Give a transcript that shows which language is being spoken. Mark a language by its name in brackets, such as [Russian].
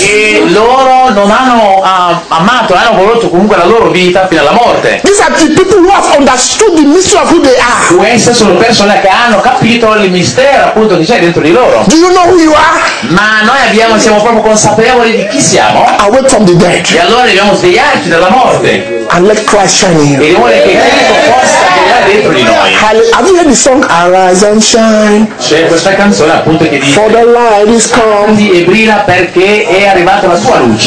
[Italian] E loro non hanno amato, hanno voluto comunque la loro vita fino alla morte. [English] These are the people who have understood the mystery of who they are. [Italian] Queste sono persone che hanno capito il mistero appunto che c'è dentro di loro. [English] Do you know who you are? [Italian] Ma noi siamo proprio consapevoli di chi siamo. [English] Awake from the dead. [Italian] E allora dobbiamo svegliarci dalla morte. [English] And let Christ shine in you. [Italian] E vuole che Cristo possa brillare dentro di noi. [English] Have you heard the song Arise and Shine? [Italian] C'è questa canzone appunto che dice [English] For the light is come. [Italian] E brilla perché è arrivata la sua luce.